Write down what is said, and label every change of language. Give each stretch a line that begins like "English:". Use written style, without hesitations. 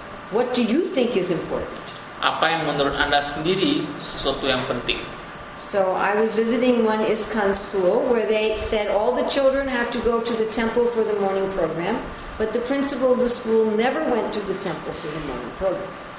English: What do you think is important?
Indonesian: Apa yang menurut Anda sendiri sesuatu yang penting?
English: So I was visiting one ISKCON school where they said all the children have to go to the temple for the morning program, but the principal of the school never went to the temple for the morning program.